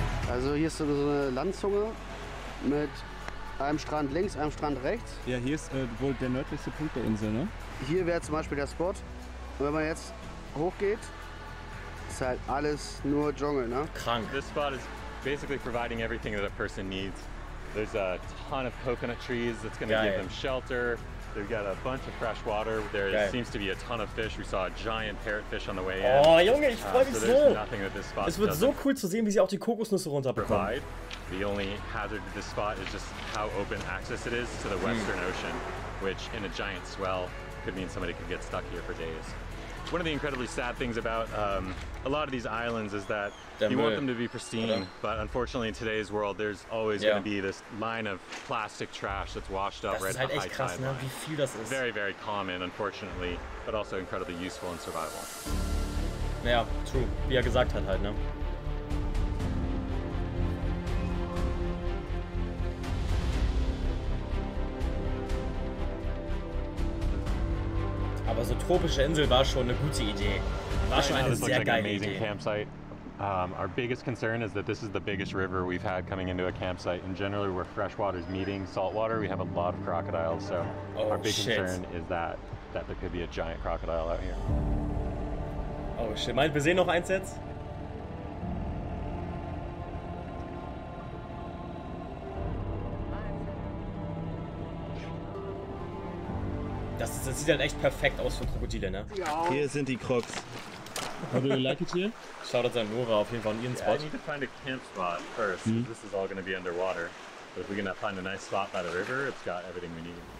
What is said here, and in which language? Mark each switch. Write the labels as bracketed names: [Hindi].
[German] Also hier ist so eine Landzunge mit einem Strand links, einem Strand rechts. Ja, hier ist wohl der nördlichste Punkt der Insel, ne? Hier wäre zum Beispiel der Spot. Und wenn man jetzt hochgeht, ist halt alles nur Dschungel, ne? Krank. [English] This spot is basically providing everything that a person needs. There's a ton of coconut trees that's gonna give them shelter. They've got a bunch of fresh water. There seems to be a ton of fish. We saw a giant parrotfish on the way in. [German] Oh, Junge, ich freue mich so. Es wird so cool zu sehen, wie sie auch die Kokosnüsse runterbekommen. [English] The only hazard to this spot is just how open access it is to the Western Ocean, which in a giant swell could mean somebody could get stuck here for days. One of the incredibly sad things about a lot of these islands is that you want them to be pristine, but unfortunately in today's world there's always going to be this line of plastic trash that's washed up right at the high tide. [German] Wie viel das ist. [English] Very, very common, unfortunately, but also incredibly useful in survival. [German] Ja, true. Wie gesagt hat halt, ne? Aber so tropische Insel war schon eine gute Idee. War schon eine sehr geile Idee. [English] Campsite. Our biggest concern is that this is the biggest river we've had coming into a campsite. And generally, where freshwater is meeting saltwater, we have a lot of crocodiles. So our big concern is that there could be a giant crocodile out here. Oh shit! [German] Meint, wir sehen noch eins jetzt? Das sieht halt echt perfekt aus für Krokodile, ne? Hier sind die Crocs. [English] Do you like it here? [German] Schaut euch an Nora auf jeden Fall an ihren Spot. [English] Yeah, I need to find a camp spot first. Mm-hmm. This is all gonna be underwater. But if we can find a nice spot by the river, it's got everything we need.